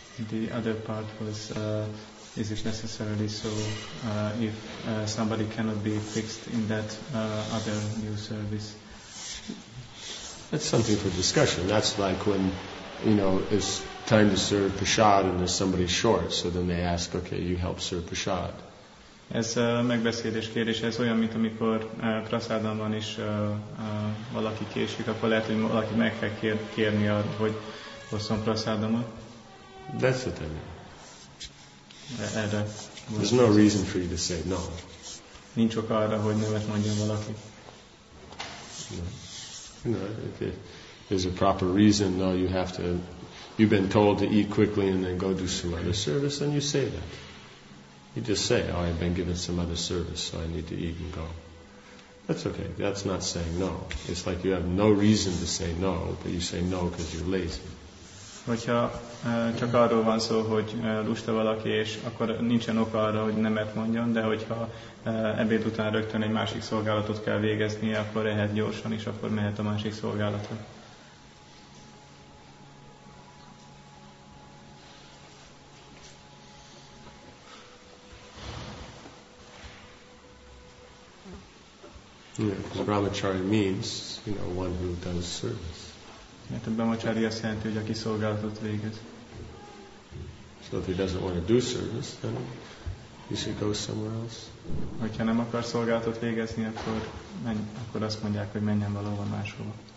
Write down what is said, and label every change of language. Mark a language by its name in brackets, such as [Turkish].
[English] The other part was, is it necessarily so, if somebody cannot be fixed in that other new service? That's something for discussion. That's like when, you know, it's time to serve prasad and there's somebody short, so then they ask, okay, you help serve prasad. [Hungarian] Ez megbeszélés kérdés. Ez olyan, mint amikor prasádon van és valaki késik, akkor lehet, hogy valaki meg kell kérni arra, hogy hozzon prasádomat. [English] That's what I mean. [Hungarian] Erre. [English] There's no reason for you to say no. [Hungarian] Nincs ok arra, hogy nevet mondjon valaki. [English] No. No, okay. There's a proper reason. No, you have to. You've been told to eat quickly and then go do some other service. Then you say that. You just say, "Oh, I've been given some other service, so I need to eat and go." That's okay. That's not saying no. It's like you have no reason to say no, but you say no because you're lazy. [Hungarian] Hogyha csak arról van szó, hogy lusta valaki, és akkor nincsen oka arra, hogy nemet mondjon, de hogyha ebéd után rögtön egy másik szolgálatot kell végeznie, akkor ehet gyorsan, és akkor mehet a másik szolgálatra. [English] Yeah, Brahmacharya means, you know, one who does service. [Hungarian] Mert a brahmacari azt jelenti, hogy aki szolgálatot végez. [English] So if he doesn't want to do service, then he should go somewhere else. [Hungarian] Hogyha nem akar szolgálatot végezni, akkor menj, akkor azt mondják, hogy menjen valahova máshova.